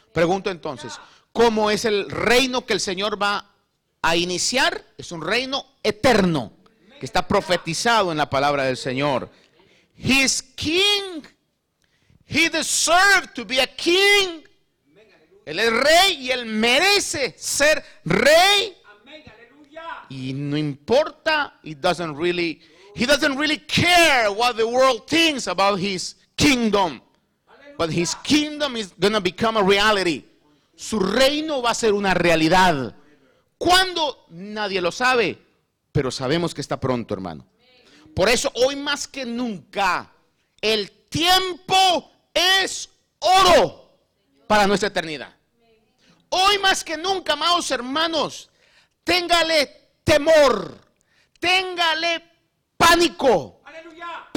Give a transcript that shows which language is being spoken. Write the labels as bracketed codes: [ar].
[es] Pregunto entonces, ¿cómo es el reino que el Señor va a iniciar? Es un reino eterno que está profetizado en la palabra del Señor. [en] His king, he deserved to be a king. [es] Él es rey y él merece ser rey. Y no importa, [en] he doesn't really care what the world thinks about his kingdom. But his kingdom is going to become a reality. [es] Su reino va a ser una realidad. ¿Cuándo? Nadie lo sabe, pero sabemos que está pronto, hermano. Por eso hoy más que nunca, el tiempo es oro para nuestra eternidad. Hoy más que nunca, amados hermanos, téngale temor, téngale pánico. ¡Aleluya!